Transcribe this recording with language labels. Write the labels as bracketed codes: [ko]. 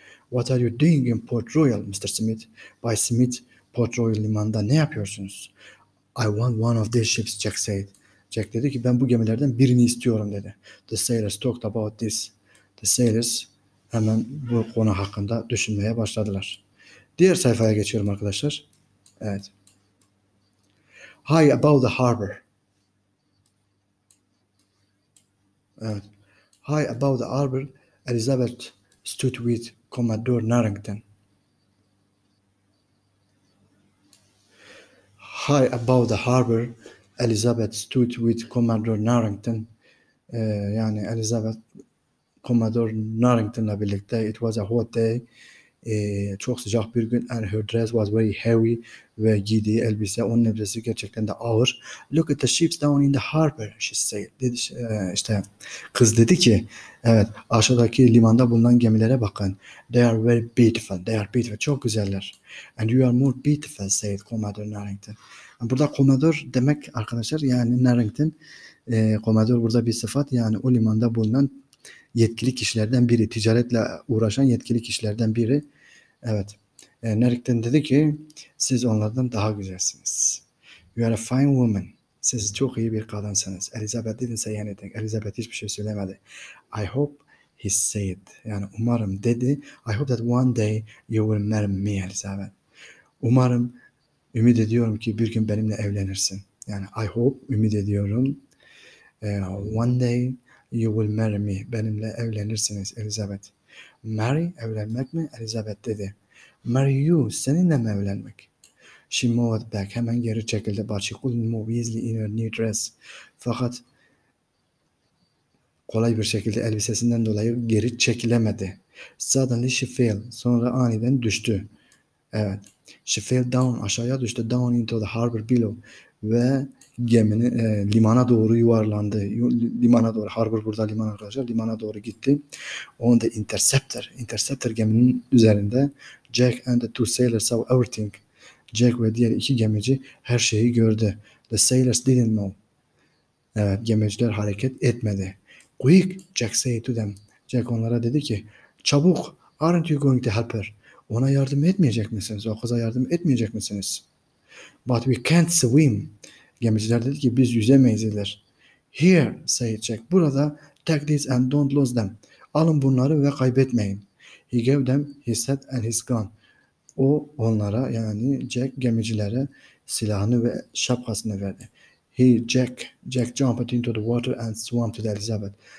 [en] What are you doing in Port Royal, Mr. Smith? [tr] By Smith, Port Royal limanında ne yapıyorsunuz? [en] I want one of these ships, Jack said. [tr] Jack dedi ki ben bu gemilerden birini istiyorum dedi. [en] The sailors [tr] talked about this. The sailors hemen bu konu hakkında düşünmeye başladılar. Diğer sayfaya geçiyorum arkadaşlar. Evet. [en] High above the harbor. Evet. High above the harbor, Elizabeth stood with Commodore Narrington. High above the harbor, Elizabeth stood with Commodore Narrington. [tr] Yani Elizabeth Commodore Narrington'la birlikte. [en] It was a hot day. [tr] Çok sıcak bir gün. [en] And her dress was very heavy. [tr] Ve giydiği elbise, onun elbisesi gerçekten de ağır. [en] Look at the ships down in the harbor, she said. [tr] Dedi, işte kız dedi ki, evet, aşağıdaki limanda bulunan gemilere bakın. [en] They are very beautiful. They are beautiful. [tr] Çok güzeller. [en] And you are more beautiful, said Commodore Narrington. [tr] Burada komodor demek arkadaşlar yani Narrington, komodor burada bir sıfat yani o limanda bulunan yetkili kişilerden biri, ticaretle uğraşan yetkili kişilerden biri. Evet, Narrington dedi ki siz onlardan daha güzelsiniz. [en] You are a fine woman. [tr] Siz çok iyi bir kadınsınız. [en] Elizabeth didn't say anything. [tr] Elizabeth hiçbir şey söylemedi. [en] I hope he said. [tr] Yani umarım dedi. [en] I hope that one day you will marry me, Elizabeth. [tr] Umarım, ümit ediyorum ki bir gün benimle evlenirsin. [en] Yani I hope, [tr] ümit ediyorum. [en] One day you will marry me. [tr] Benimle evlenirsiniz, Elizabeth. Marry, evlenmek mi? Elizabeth dedi. [en] Marry you, [tr] seninle mi evlenmek? [en] She moved back. [tr] Hemen geri çekildi. [en] But she couldn't move easily in her new dress. [tr] Fakat kolay bir şekilde elbisesinden dolayı geri çekilemedi. [en] Suddenly she fell. [tr] Sonra aniden düştü. Evet. [en] She fell down. [tr] Aşağıya düştü. [en] Down into the harbor below. [tr] Ve geminin limana doğru yuvarlandı. Limana doğru. Harbor burada liman arkadaşlar. Limana doğru gitti. [en] On the interceptor. [tr] Interceptor geminin üzerinde. [en] Jack and the two sailors saw everything. [tr] Jack ve diğer iki gemici her şeyi gördü. [en] The sailors didn't know. [tr] Evet, gemiciler hareket etmedi. [en] Quick, Jack said to them. [tr] Jack onlara dedi ki, çabuk, [en] aren't you going to help her? [tr] Ona yardım etmeyecek misiniz? O kıza yardım etmeyecek misiniz? [en] But we can't swim. [tr] Gemiciler dedi ki, biz yüzemeyiz eder. [en] Here, said Jack. [tr] Burada, [en] take this and don't lose them. [tr] Alın bunları ve kaybetmeyin. [en] He gave them his hat and his gun. [tr] O onlara yani Jack gemicilere silahını ve şapkasını verdi. [en] Jack jumped into the water and swam to Elizabeth.